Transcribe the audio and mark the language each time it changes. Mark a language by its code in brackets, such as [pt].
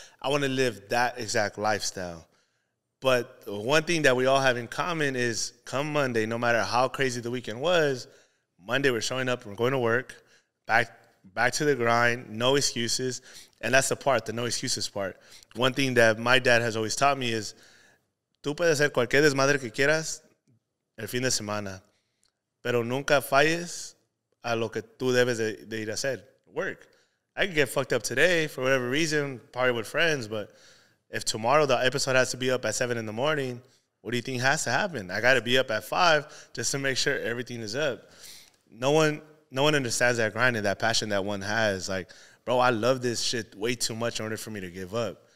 [en] I want to live that exact lifestyle. But one thing that we all have in common is come Monday, no matter how crazy the weekend was, Monday we're showing up, we're going to work, back to the grind, no excuses. And that's the part, the no excuses part. One thing that my dad has always taught me is, [es] tú puedes hacer cualquier desmadre que quieras el fin de semana, pero nunca falles a lo que tú debes de ir a hacer, [en] work. I can get fucked up today for whatever reason, party with friends, but if tomorrow the episode has to be up at 7 in the morning, what do you think has to happen? I got to be up at 5 just to make sure everything is up. No one understands that grind and that passion that one has. Like, bro, I love this shit way too much in order for me to give up.